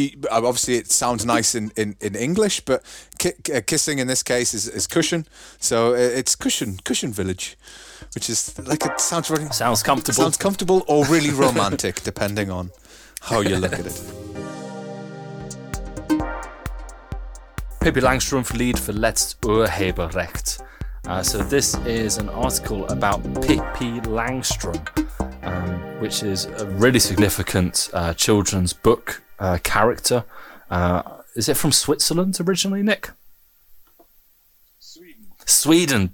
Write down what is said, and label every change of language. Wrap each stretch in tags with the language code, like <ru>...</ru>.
<en>Obviously, it sounds nice in English, but kissing in this case is cushion. So it's cushion village. Which is like it sounds really sounds comfortable. Sounds comfortable or really romantic, depending on how you look at it.</en> <de>Pippi Langstrumpf Lied für Letzt Urheberrecht.</de> <en>So this is an article about Pippi Langstrumpf, which is a really significant children's book character. Is it from Switzerland originally, Nick? Sweden,</en>